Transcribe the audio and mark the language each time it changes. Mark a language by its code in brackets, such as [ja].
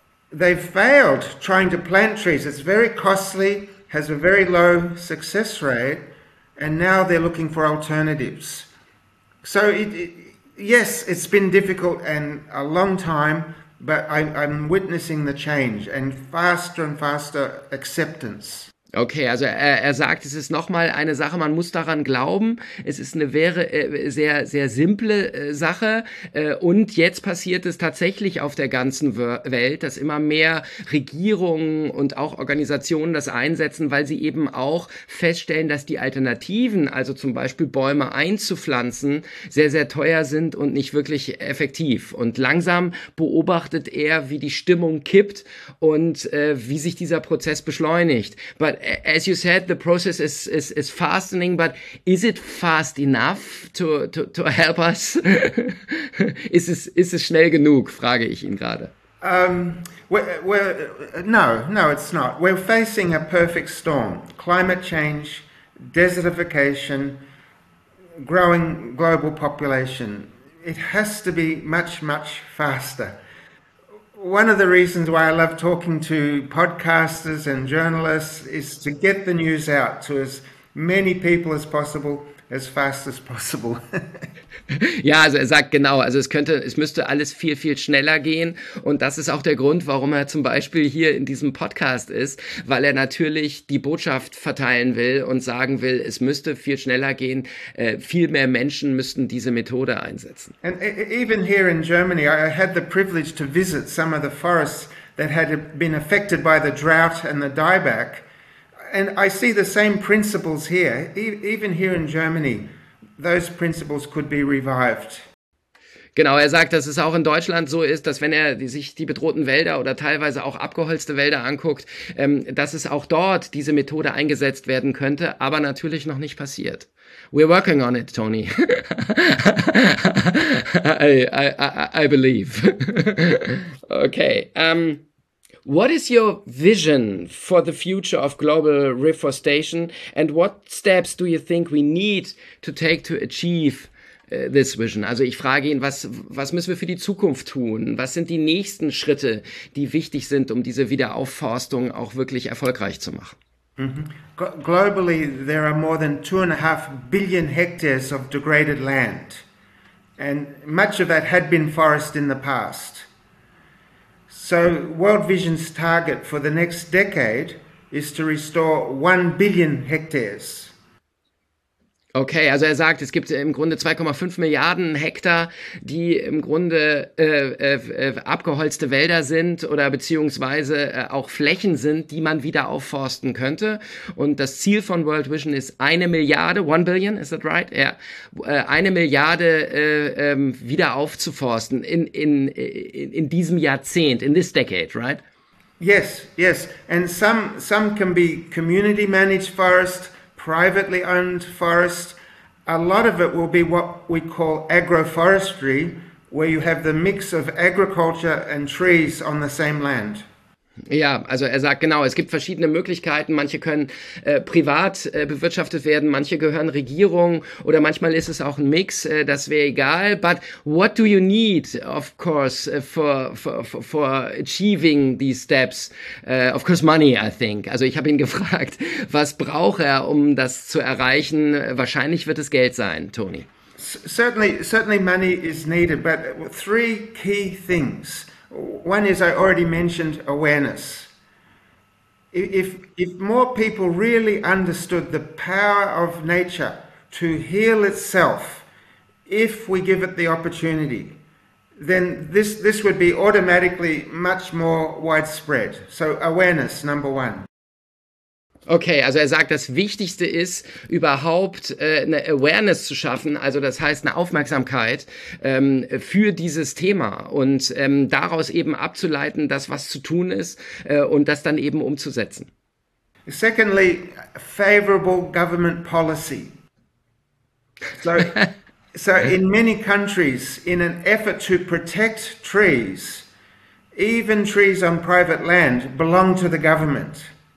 [en] They've failed trying to plant trees. It's very costly, has a very low success rate, and now they're looking for alternatives. So yes, it's been difficult and a long time, but I'm witnessing the change and faster acceptance. [de] Okay, also er sagt, es ist nochmal eine Sache, man muss daran glauben. Es ist eine sehr, sehr simple Sache. Und jetzt passiert es tatsächlich auf der ganzen Welt, dass immer mehr Regierungen und auch Organisationen das einsetzen, weil sie eben auch feststellen, dass die Alternativen, also zum Beispiel Bäume einzupflanzen, sehr, sehr teuer sind und nicht wirklich effektiv. Und langsam beobachtet er, wie die Stimmung kippt und wie sich dieser Prozess beschleunigt. [en] But as you said, the process is fastening, but is it fast enough to help us? [de] ist es schnell genug, frage ich ihn gerade. [en] No, it's not. We're facing a perfect storm. Climate change, desertification, growing global population. It has to be much, much faster. One of the reasons why I love talking to podcasters and journalists is to get the news out to as many people as possible, as fast as possible. [de] Ja, also er sagt genau, also es müsste alles viel, viel schneller gehen, und das ist auch der Grund, warum er zum Beispiel hier in diesem Podcast ist, weil er natürlich die Botschaft verteilen will und sagen will, es müsste viel schneller gehen, viel mehr Menschen müssten diese Methode einsetzen. [en] And even here in Germany, I had the privilege to visit some of the forests that had been affected by the drought and the dieback. And I see the same principles here, even here in Germany. Those principles could be revived. [de] Genau, er sagt, dass es auch in Deutschland so ist, dass wenn er sich die bedrohten Wälder oder teilweise auch abgeholzte Wälder anguckt, dass es auch dort diese Methode eingesetzt werden könnte, aber natürlich noch nicht passiert. [en] We're working on it, Tony. I believe. Okay, what is your vision for the future of global reforestation, and what steps do you think we need to take to achieve this vision? [de] Also ich frage ihn, was müssen wir für die Zukunft tun? Was sind die nächsten Schritte, die wichtig sind, um diese Wiederaufforstung auch wirklich erfolgreich zu machen? [en] Globally, there are more than 2.5 billion hectares of degraded land. And much of that had been forest in the past. So World Vision's target for the next decade is to restore 1 billion hectares. [de] Okay, also er sagt, es gibt im Grunde 2,5 Milliarden Hektar, die im Grunde abgeholzte Wälder sind oder beziehungsweise auch Flächen sind, die man wieder aufforsten könnte. Und das Ziel von World Vision ist 1 billion, [en] is that right? [de] Ja, 1 Milliarde wieder aufzuforsten in diesem Jahrzehnt, [en] in this decade, right? Yes, yes. And some can be community managed forest, privately owned forest. A lot of it will be what we call agroforestry, where you have the mix of agriculture and trees on the same land. [de] Ja, also er sagt genau, es gibt verschiedene Möglichkeiten. Manche können privat bewirtschaftet werden, manche gehören Regierung oder manchmal ist es auch ein Mix, das wäre egal. [en] But what do you need, of course, for achieving these steps? Of course money, I think. [de] Also ich habe ihn gefragt, was braucht er, um das zu erreichen? Wahrscheinlich wird es Geld sein, Tony. [en] Certainly money is needed, but three key things. One is, I already mentioned, awareness. If more people really understood the power of nature to heal itself, if we give it the opportunity, then this would be automatically much more widespread. So awareness, number one. [de] Okay, also er sagt, das Wichtigste ist, überhaupt eine Awareness zu schaffen, also das heißt eine Aufmerksamkeit für dieses Thema und daraus eben abzuleiten, dass was zu tun ist und das dann eben umzusetzen. [en] Secondly, favorable government policy. So in many countries, in an effort to protect trees, even trees on private land belong to the government.